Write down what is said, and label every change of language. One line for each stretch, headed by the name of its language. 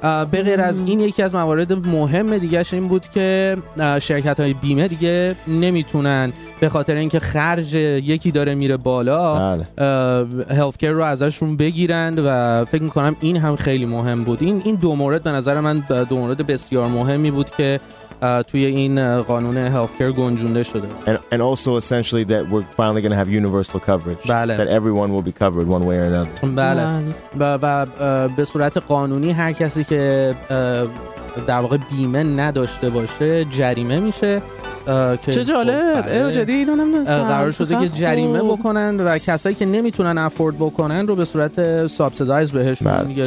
Persian: به غیر از این، یکی از موارد مهم دیگه‌اش این بود که شرکت‌های بیمه دیگه نمیتونن به خاطر اینکه خرج یکی داره میره بالا، هلت کیر رو ازشون بگیرند، و فکر میکنم این هم خیلی مهم بود. این دو مورد به نظر من دو مورد بسیار مهمی بود که توی این قانون هلتکر گنجونده شده.
English: And also essentially that we're finally going to have universal coverage.
Persian: بله.
English: That everyone will be covered one way or another.
Persian: بله. و به صورت قانونی هر کسی که در واقع بیمه نداشته باشه جریمه میشه. چه جالب. اوه جدی اینو نمیدونستم. قرار شده که جریمه بکنن و کسایی که نمیتونن افورد بکنن رو به صورت سابسیدایز بهشون میگن.